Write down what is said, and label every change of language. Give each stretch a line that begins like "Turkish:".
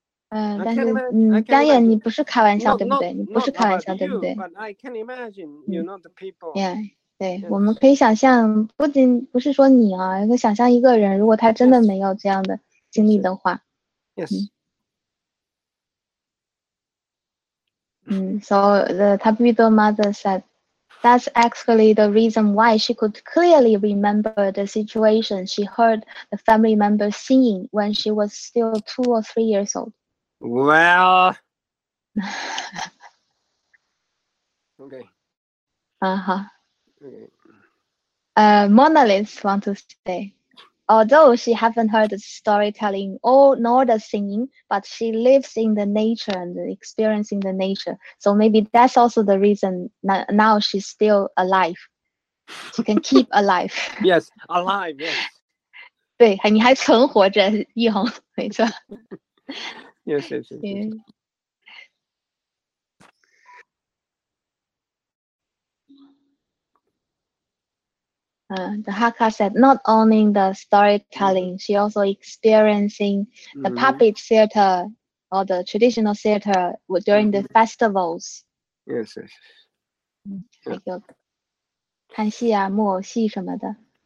Chinese: 嗯，但是嗯，张燕，你不是开玩笑对不对？你不是开玩笑对不对
English: ？But I can imagine you're not the people. Yeah,
Chinese: 对，我们可以想象，不仅不是说你啊，一个想象一个人，如果他真的没有这样的经历的话
English: ，Yes. So the Tabido mother said, that's actually the reason why she could clearly remember the situation. She heard the family member singing when she was still 2 or 3 years old. Well, okay. Monolith want to say, although she haven't heard the storytelling or nor the singing, but she lives in the nature and experiencing the nature. So maybe that's also the reason now she's still alive. She can keep alive. Yes, alive, yes.
Chinese: 对，你还存活着，易红，没错。
English: Yes, yes, yes. Yes. The Hakka said, not only the storytelling, she also experiencing the puppet theater or the traditional theater during the festivals. Yes, yes.
Chinese: 还有看戏啊，木偶戏什么的。